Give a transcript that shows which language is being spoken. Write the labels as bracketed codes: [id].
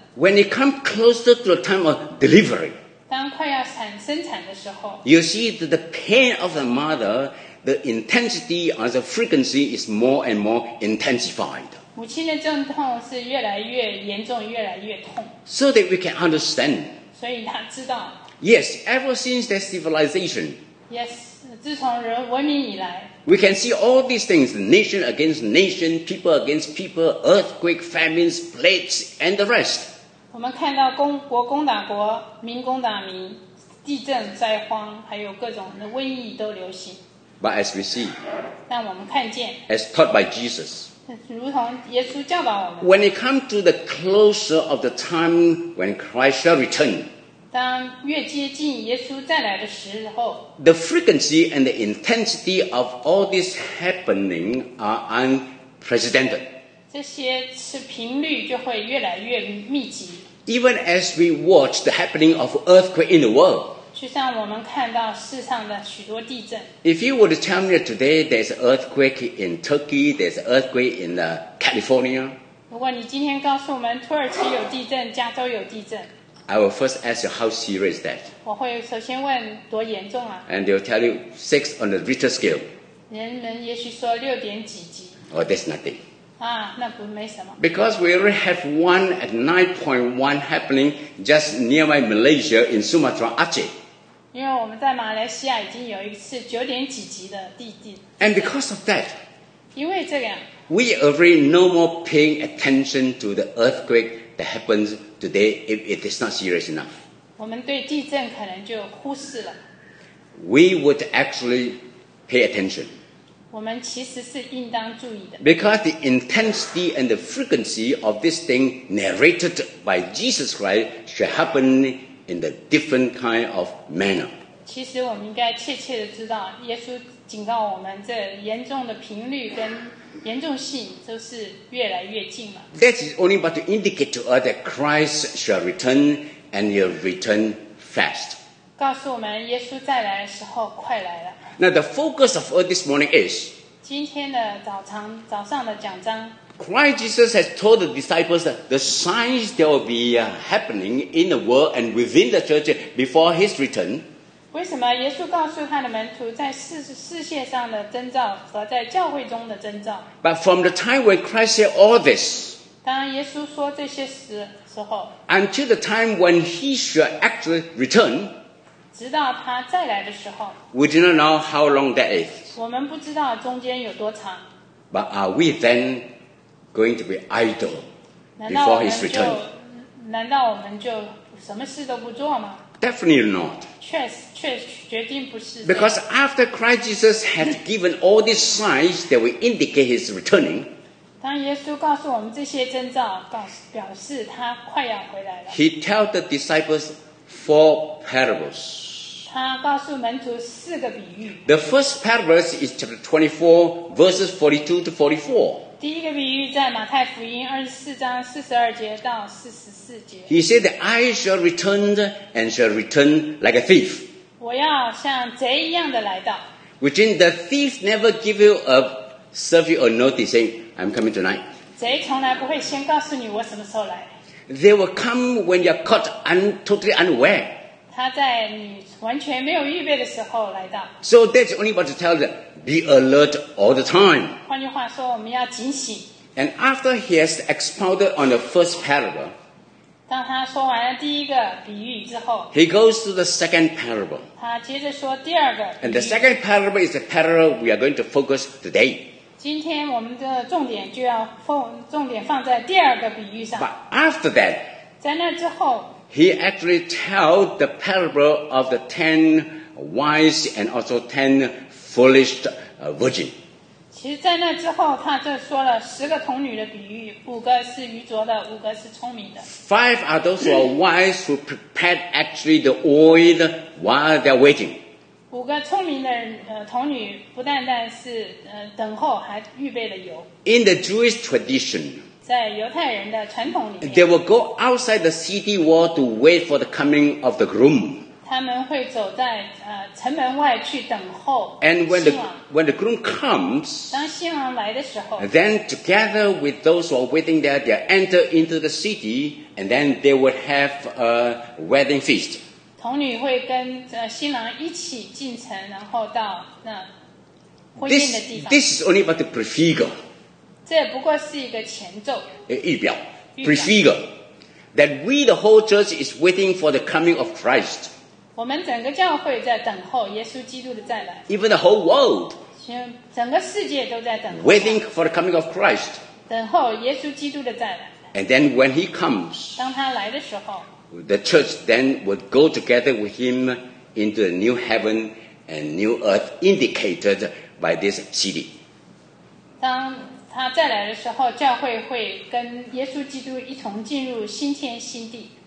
[en] When it comes closer to the time of delivery, [zh] 当快要产生产的时候 [en] you see that the pain of the mother, the intensity or the frequency is more and more intensified. [zh] 母亲的阵痛是越来越严重，越来越痛。 [en] So that we can understand. [zh] 所以他知道。 [en] Yes, ever since that civilization. Yes, [zh] 自从人文明以来。 [en] We can see all these things, nation against nation, people against people, earthquake, famines, plagues, and the rest. [zh] 我们看到公国攻打国，民攻打民，地震、灾荒，还有各种的瘟疫都流行。 [en] But as we see, [zh] 但我们看见 [en] as taught by Jesus, [zh] 如同耶稣教导我们 [en] when it comes to the closer of the time when Christ shall return, [zh] 当越接近耶稣再来的时候 [en] the frequency and the intensity of all this happening are unprecedented. [zh] 这些是频率就会越来越密集 [en] Even as we watch the happening of earthquake in the world, [zh] 就像我们看到世上的许多地震。 [en] If you were to tell me today there's an earthquake in Turkey, there's an earthquake in California, [zh] 如果你今天告诉我们土耳其有地震，加州有地震 [en] I will first ask you how serious is that. [zh] 我会首先问多严重啊。 [en] And they'll tell you 6 on the Richter scale. [zh] 人们也许说六点几级。 [en] Oh, that's nothing. [zh] 啊，那不没什么。 [en] Because we already have one at 9.1 happening just near my Malaysia in Sumatra Aceh. [zh] 因为我们在马来西亚已经有一次九点几级的地震 [en] And because of that, [zh] 因为这样 [en] we already no more paying attention to the earthquake that happens today if it is not serious enough. [zh] 我们对地震可能就忽视了 [en] We would actually pay attention. [zh] 我们其实是应当注意的 [en] Because the intensity and the frequency of this thing narrated by Jesus Christ should happen in the different kind of manner. [zh] 其实我们应该切切地知道耶稣警告我们这严重的频率跟严重性都是越来越近了。 [en] That is only but to indicate to us that Christ shall return and he'll return fast. [zh] 告诉我们耶稣再来的时候快来了。 [en] Now the focus of earth this morning is [zh] 今天的早上的讲章 [en] Christ Jesus has told the disciples that the signs that will be happening in the world and within the church before his return. [zh] 为什么耶稣告诉他的门徒在世界上的征兆和在教会中的征兆 [en] But from the time when Christ said all this, [zh] 当耶稣说这些时候 [en] until the time when he shall actually return, [zh] 直到他再来的时候 [en] we do not know how long that is. [zh] 我们不知道中间有多长 [en] But are we then... going to be idle before his return. [zh] 难道我们就什么事都不做吗? [en] Definitely not. [zh] 确定不是。 [en] Because after Christ Jesus had given all these signs that will indicate his returning, [zh] 当耶稣告诉我们这些征兆表示他快要回来了。 [en] He tell the disciples 4 parables. [zh] 他告诉门徒四个比喻。 [en] The first parable is chapter 24, verses 42 to 44. [zh] 第一个比喻在马太福音24章42节到44节。 [en] He said that I shall return and shall return like a thief. [zh] 我要像贼一样的来到。 [en] Which means the thief never give you a serve you a notice saying, I'm coming tonight. [zh] 贼从来不会先告诉你我什么时候来。 [en] They will come when you're caught totally unaware. [zh] 他在你完全没有预备的时候来到。 [en] So that's only about to tell them. Be alert all the time. [zh] 换句话说，我们要警醒。 [en] And after he has expounded on the first parable, [zh] 当他说完了第一个比喻之后 [en] he goes to the second parable. [zh] 他接着说第二个比喻。 [en] And the second parable is the parable we are going to focus today. [zh] 今天我们的重点就要重点放在第二个比喻上。 [en] But after that, [zh] 在那之后 [en] he actually tells the parable of the 10 wise and also 10foolish virgin. [zh] 其实在那之后他就说了十个童女的比喻五个是愚拙的五个是聪明的 [en] Five are those who are wise who prepared actually the oil while they're waiting. [zh] 五个聪明的童女不单单是等候还预备了油 [en] In the Jewish tradition, [zh] 在犹太人的传统里面 [en] they will go outside the city wall to wait for the coming of the groom. [zh] 他们会走在城门外去等候。 [en] And when the groom comes, [zh] 当新郎来的时候 [en] ，then together with those who are waiting there, they enter into the city, and then they would have a wedding feast. [zh] 童女会跟新郎一起进城，然后到那婚宴的地方。 [en] This is only about the prefigure. [zh] 这不过是一个前奏。预表 prefigure。 [en] That we, the whole church, is waiting for the coming of Christ. [zh] 我们整个教会在等候耶稣基督的再来。 [en] Even the whole world. [zh] 整个世界都在等候。 [en] Waiting for the coming of Christ. [zh] 等候耶稣基督的再来。 [en] And then when he comes. [zh] 当他来的时候。 [en] The church then would go together with him into the new heaven and new earth indicated by this city. [zh] 当他再来的时候，教会会跟耶稣基督一同进入新天新地。